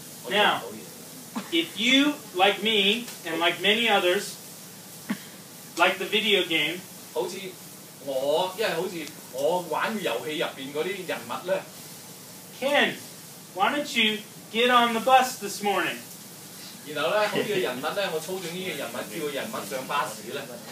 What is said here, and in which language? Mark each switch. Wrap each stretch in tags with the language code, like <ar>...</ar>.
<en>Now, if you, like me, and like many others, like the video game,</en> <zh>好像我玩游戏入面那些人物呢,</zh> <en>Ken, why don't you get on the bus this morning?</en> <zh>然后呢,好像这个人物呢,</zh>